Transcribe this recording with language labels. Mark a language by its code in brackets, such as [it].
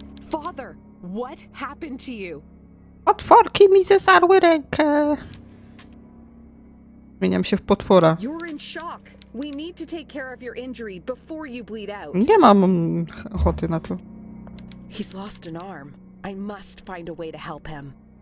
[en] Father, what happened to you? [pl] Potworki mi zesarły rękę! Zmieniam się w potwora. [en] You're in shock. We need to take care of your injury before you bleed out. [pl] Nie mam ochoty na to. [en] He's lost an arm. I must find a way to help him.